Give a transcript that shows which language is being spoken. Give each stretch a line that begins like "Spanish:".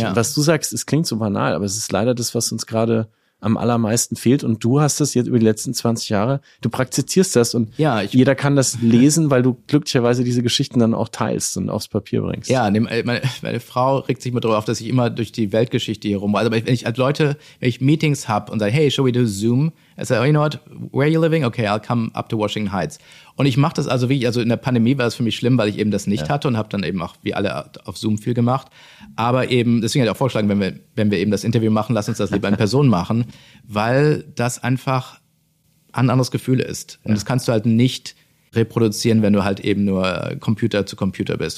German: Ja. Und was du sagst, es klingt so banal, aber es ist leider das, was uns gerade am allermeisten fehlt, und du hast das jetzt über die letzten 20 Jahre, du praktizierst das, und ja, jeder kann das lesen, weil du glücklicherweise diese Geschichten dann auch teilst und aufs Papier bringst. Ja, meine Frau regt sich immer darüber auf, dass ich immer durch die Weltgeschichte hier rum, also wenn ich Meetings habe und sage,
English: hey, shall we do Zoom? I say, oh, you know what, where are you living? Okay, I'll come up to Washington Heights.
German: Und ich mache das also wirklich, also in der Pandemie war es für mich schlimm, weil ich eben das nicht hatte und habe dann eben auch wie alle auf Zoom viel gemacht. Aber eben, deswegen hätte ich auch vorgeschlagen, wenn wir eben das Interview machen, lass uns das lieber in Person machen, weil das einfach ein anderes Gefühl ist. Und das kannst du halt nicht reproduzieren, wenn du halt eben nur Computer zu Computer bist.